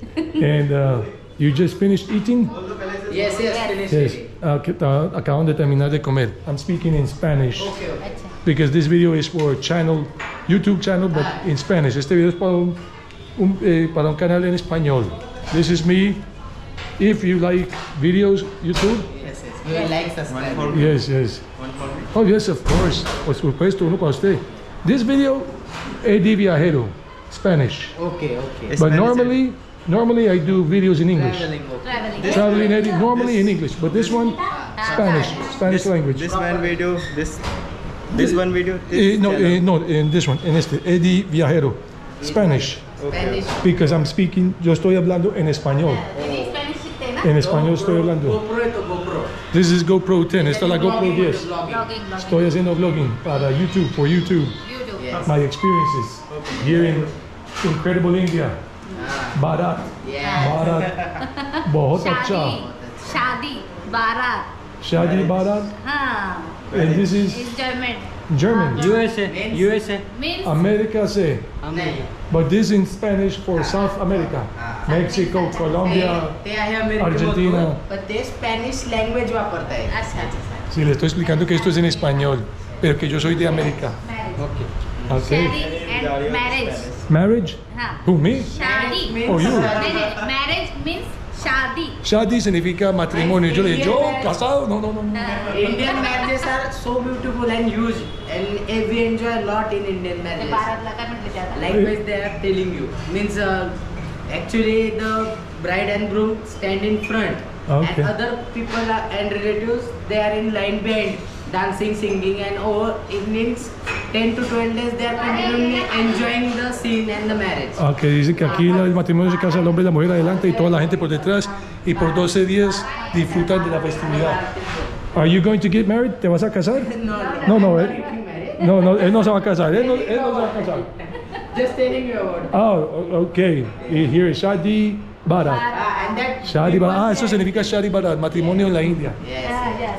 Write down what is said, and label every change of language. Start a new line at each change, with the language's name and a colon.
English: And you just finished eating? Yes, yes, finished. Yes.
Spanish: Acaban de terminar de comer.
English: I'm speaking in Spanish. Okay. Because this video is for a channel, YouTube channel, but in Spanish.
Spanish: Este video es para un canal en español.
English: This is me. If you like videos, YouTube. Yes, yes. One for me. Yes, yes. One for me. Oh, yes, of course.
Spanish: Por supuesto, uno para usted.
English: This video, Eddie Viajero, Spanish. Okay, okay. But Spanish normally, normally I do videos in English. Traveling. Okay. Traveling, Eddie, normally this, in English. But this one, Spanish, Spanish this, language. This one video, this one video. This no, in this one, in este, Eddie Viajero, Spanish. Okay. Because I'm speaking,
Spanish: yo estoy hablando en español. En español estoy hablando.
English: This is GoPro 10,
Spanish: esta la
English: GoPro 10. Vlogging, vlogging.
Spanish: Estoy haciendo vlogging para YouTube,
English: for YouTube. YouTube. Yes. My experiences okay. Here in incredible India. Bharat. Yes.
Hindi: Bharat. Bahut acha. Shadi. Bharat.
English: Shadi Bharat. And this is? It's German. German. USA. Means? USA. Means? America say. America. But this in Spanish for South America. Mexico, Colombia, Argentina. But the Spanish language
Spanish: va por ahí. Sí, le estoy explicando que esto es en español, pero que yo soy de América.
English: Marriage. Okay. Shadi and marriage. Marriage? Huh. Who, me? Shadi. Or you? Marriage means shadi.
Spanish: Shadi significa matrimonio. Yo le digo, yo, casado? No, no, no.
English: Indian marriages are so beautiful and huge. And we enjoy a lot in Indian marriages. Language they are telling you. Means, actually, the bride and groom stand in front, okay. And other people are, and relatives, they are in line band, dancing, singing, and over evenings, 10 to 12 days, they are continually enjoying the scene and the marriage.
Spanish: Okay, dicen que aquí el matrimonio se casa el hombre y la mujer adelante y toda la gente por detrás, y por 12 días disfrutan de la festividad.
English: Are you going to get married?
Spanish: ¿Te vas a casar? No, no, él. No, no, él no se va a casar. Él no se va a casar.
English: Just telling you about it. Oh, okay. Yeah. Here is Shadi Bharat. Shadi Bharat.
Spanish: Ah, eso significa Shadi Bharat, matrimonio en la India.
English: Yes. Yeah, yes.